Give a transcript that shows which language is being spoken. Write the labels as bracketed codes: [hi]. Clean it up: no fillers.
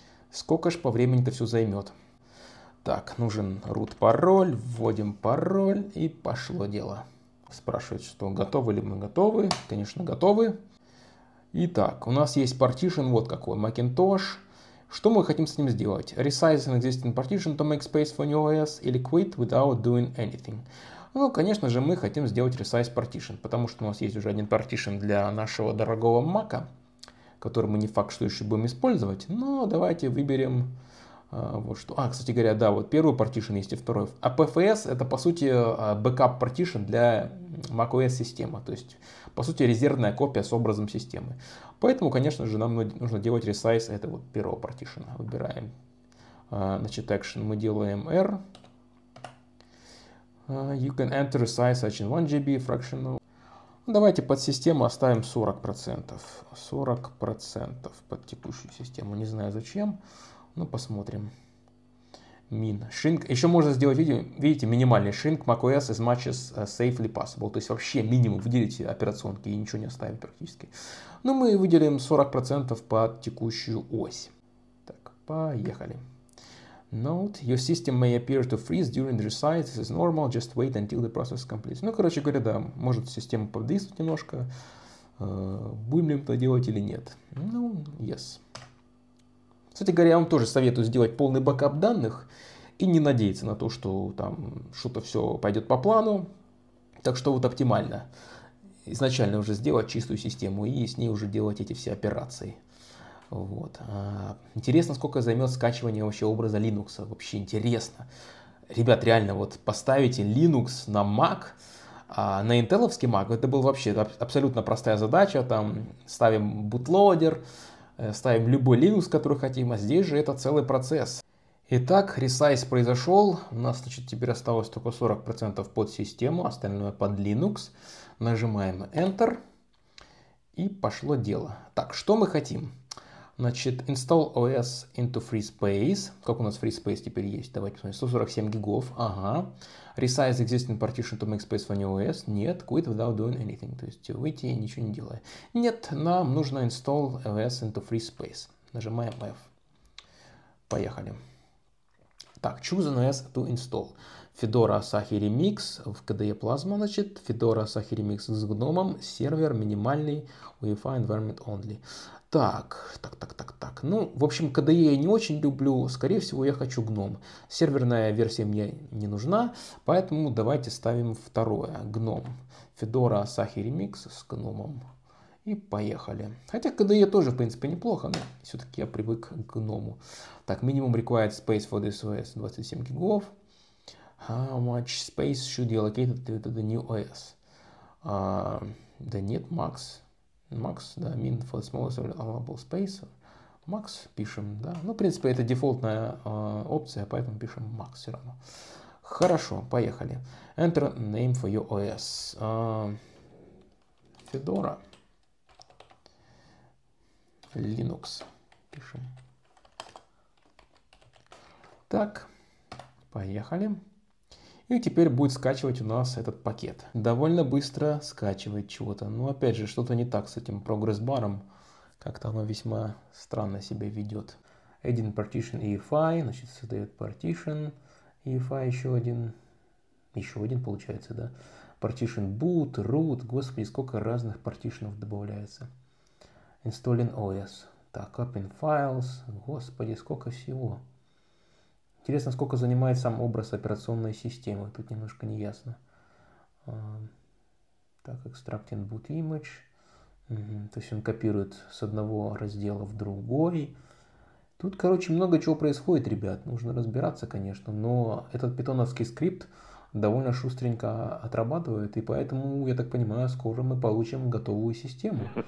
[ru] Сколько ж по времени-то все займет. Так, нужен root-пароль, вводим пароль и пошло дело. Спрашивают, что готовы ли мы. Готовы, конечно, готовы. Итак, у нас есть partition, вот какой, Macintosh. Что мы хотим с ним сделать? [en] Resize an existing partition to make space for new OS или quit without doing anything? [ru] Ну, конечно же, мы хотим сделать resize partition, потому что у нас есть уже один partition для нашего дорогого Mac, который мы не факт, что еще будем использовать, но давайте выберем вот что. А, кстати говоря, да, вот первый partition есть и второй. А PFS это, по сути, backup partition для macOS системы, то есть по сути, резервная копия с образом системы. Поэтому, конечно же, нам нужно делать resize этого вот первого partition. Выбираем. Значит, action мы делаем R. [en] You can enter resize action 1 GB fractional. [ru] Давайте под систему оставим 40%. 40% под текущую систему. Не знаю зачем, но посмотрим. [en] Min. Shrink. [ru] Еще можно сделать, видите, минимальный [en] shrink macOS as much as safely possible. [ru] То есть вообще минимум выделить операционки и ничего не оставить практически. Но мы выделим 40% под текущую ось. Так, поехали. [en] Note, your system may appear to freeze during the resize. This is normal, just wait until the process completes. [ru] Ну, короче говоря, да, может система подвиснуть немножко. Будем ли это делать или нет? Ну, yes. Кстати говоря, я вам тоже советую сделать полный бэкап данных и не надеяться на то, что там что-то все пойдет по плану. Так что вот оптимально изначально уже сделать чистую систему и с ней уже делать эти все операции. Вот. Интересно, сколько займет скачивание вообще образа Linux. Вообще интересно. Ребят, реально, вот поставите Linux на Mac, а на Intel-овский Mac, это была вообще абсолютно простая задача. Там ставим бутлодер, ставим любой Linux, который хотим, а здесь же это целый процесс. Итак, resize произошел. У нас, значит, теперь осталось только 40% под систему, остальное под Linux. Нажимаем Enter. И пошло дело. Так, что мы хотим? [en] Значит, install OS into free space. [ru] Как у нас free space теперь есть? Давайте посмотрим. 147 гигов. Ага. [en] Resize existing partition to make space for new OS. Нет. Quit without doing anything. [ru] То есть выйти и ничего не делая. Нет. [en] Нам нужно install OS into free space. [ru] Нажимаем F. Поехали. Так. [en] Choose an OS to install. [ru] Fedora Asahi Remix в KDE Plasma, значит, Fedora Asahi Remix с гномом, сервер минимальный, UEFI environment only. Так. Ну, в общем, KDE я не очень люблю, скорее всего, я хочу гном. Серверная версия мне не нужна, поэтому давайте ставим второе, гном. Fedora Asahi Remix с гномом. И поехали. Хотя KDE тоже, в принципе, неплохо, но все-таки я привык к гному. [en] Так, minimum required space for this OS 27 гигов. How much space should be allocated to the new OS? [ru] Да нет, Макс. Макс, да, [en] min for the smallest allowable space. [ru] Макс пишем, да. Ну, в принципе, это дефолтная опция, поэтому пишем Макс все равно. Хорошо, поехали. [en] Enter name for your OS. Fedora. [ru] Linux. Пишем. Так, поехали. И теперь будет скачивать у нас этот пакет. Довольно быстро скачивает чего-то. Но опять же, что-то не так с этим прогресс-баром. Как-то оно весьма странно себя ведет. [en] Adding partition EFI. [ru] Значит, создает partition. EFI еще один. Еще один получается, да? Partition boot, root. Господи, сколько разных partition'ов добавляется. [en] Installing OS. Так, open files. [ru] Господи, сколько всего. Интересно, сколько занимает сам образ операционной системы. Тут немножко не ясно. [en] Так, extracting boot image. [ru] То есть он копирует с одного раздела в другой. Тут, короче, много чего происходит, ребят. Нужно разбираться, конечно. Но этот питоновский скрипт довольно шустренько отрабатывает. И поэтому, я так понимаю, скоро мы получим готовую систему.